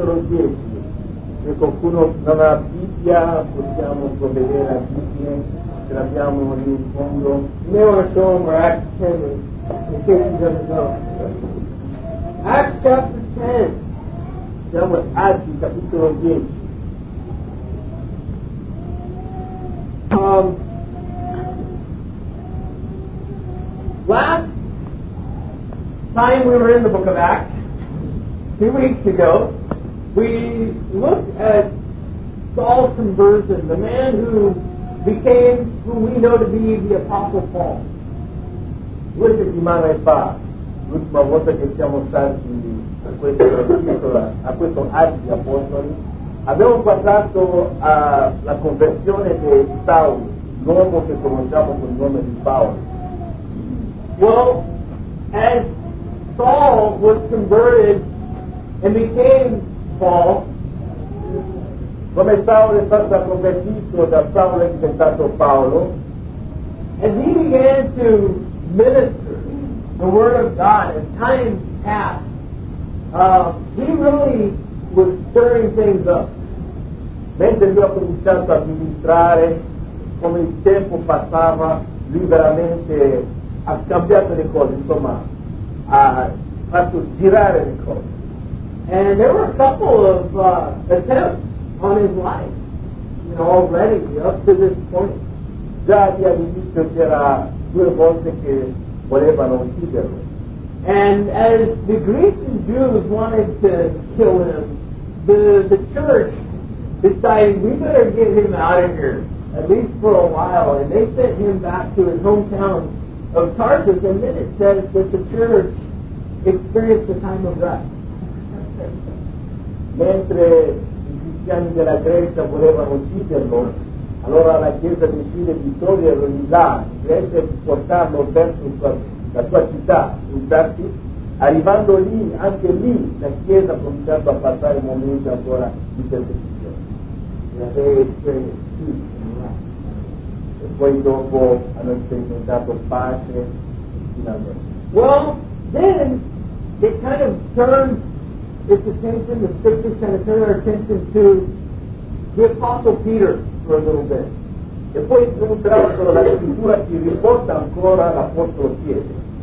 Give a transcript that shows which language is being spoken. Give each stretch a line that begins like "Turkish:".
Italian: Se qualcuno non ha Bibbia, possiamo provvedere a Bibbia, ce l'abbiamo lì in fondo.
English: May I want to show them where Acts 10 is, in case you don't know. Acts chapter 10.
Italian: Siamo in Acts capitolo 10.
English: Last time we were in the book of Acts, 2 weeks ago, we looked at Saul's conversion, the man who became who we know to be the Apostle Paul.
Italian: Questa settimana fa, l'ultima volta che siamo stati a questo atto di apostoli, abbiamo parlato alla conversione di Saul, l'uomo che conosciamo con il nome di Paolo.
English: Well, as Saul was converted and became Paul,
Italian: come Saul è stato convertito da Saul è diventato Paolo,
English: as he began to minister the word of God, as time passed, he really was stirring things up.
Italian: Mentre lui ha cominciato a ministrare, come il tempo passava, lui veramente ha cambiato le cose, insomma, ha fatto girare le cose.
English: And there were a couple of attempts on his life, you know, already up to this point.
Italian: Già di all'inizio c'era due volte che volevano ucciderlo.
English: And as the Greeks and Jews wanted to kill him, the church decided we better get him out of here, at least for a while, and they sent him back to his hometown of Tarsus, and then it says that the church experienced a time of rest.
Italian: Mentre i cristiani della Grecia volevano ucciderlo, allora la Chiesa decide di toglierlo di là, Grecia, di portarlo verso la sua città, in Tarsus. Arrivando lì, anche lì, la Chiesa ha cominciato a passare momenti ancora di persecuzione. E poi dopo hanno sperimentato pace finalmente.
English: Well, then it kind of turns its attention, the scriptures kind of turn our attention to the Apostle Peter for a little bit.
Italian: E poi un tratto la scrittura ci riporta ancora l'Apostolo Pietro.